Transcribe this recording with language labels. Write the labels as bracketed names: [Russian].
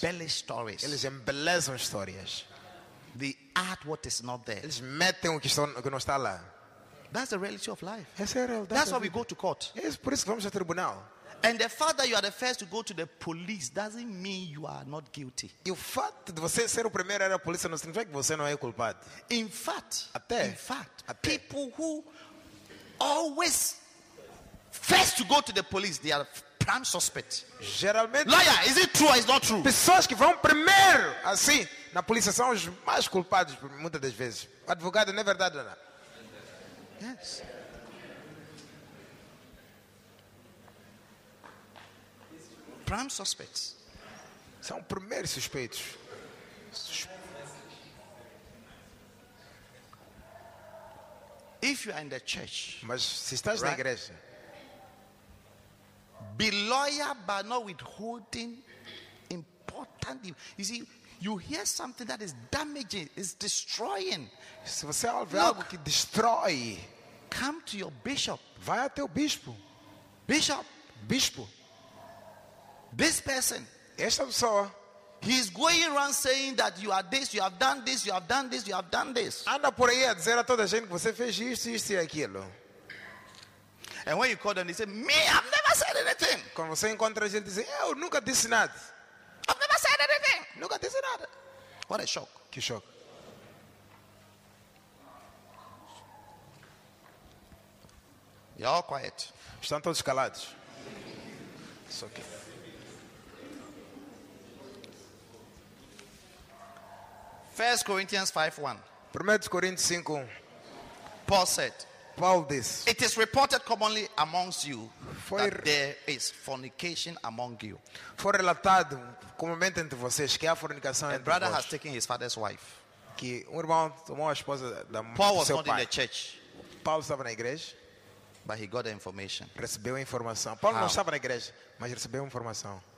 [English] They embellish stories. [Portuguese] Eles embelezam histórias. [English] They add what is not there. [Portuguese] Eles metem o que não está lá. [English] That's the reality of life. [Portuguese] Essa é a realidade. [English] That's why we go to court. [Portuguese] É por isso que vamos ao tribunal. [English] And the fact that you are the first to go to the police doesn't mean you are not guilty. [Portuguese] O fato de você ser o primeiro a ir à polícia não significa que você não é culpado. [English] In fact, people who always first to go to the police, they are prime suspect. [Portuguese] Geralmente, [English] liar, is it true or is not true? [Portuguese] Pessoas que vão primeiro assim na polícia são os mais culpados muitas das vezes. O advogado não é verdade, Ana? [English] Yes. Prime suspects. [Portuguese] São os primeiros suspeitos. [English] If you are in the church, [Portuguese] mas se estás right, na igreja, [English] be loyal but not withholding important. You see, you hear something that is damaging, is destroying. [Portuguese] Se você ouvir algo que destrói, [English] come to your bishop. [Portuguese] Vai até o bispo. [English] Bishop. This person, [Portuguese] esta pessoa, [English] he is going around saying that you are this, you have done this, you have done this, you have done this. [Portuguese] Anda por aí a dizer a toda a gente que você fez isso, isso e aquilo. [English] And when you call them, they say, me, I've never said anything. [Portuguese] Quando você encontra a gente, diz, eu nunca disse nada. [English] I've never said anything. [Portuguese] Nunca disse nada. [English] What a shock. [Portuguese] Que shock. [English] You're all quiet. [Portuguese] Estão todos calados. [English] It's okay. First Corinthians 5:1. 1 Corinthians 5. Paul said. Paul this. It is reported commonly amongst you that there is fornication among you. [Portuguese] Foi relatado comumente entre vocês que há fornicação entre vós. [English] A brother has taken his father's wife. [Portuguese] Que irmão tomou a esposa da mãe. [English] Paul was not in the church. [Portuguese] Paul estava na igreja. [English] But he got the information. [Portuguese] Recebeu a informação. Paul não estava na igreja, mas recebeu a informação.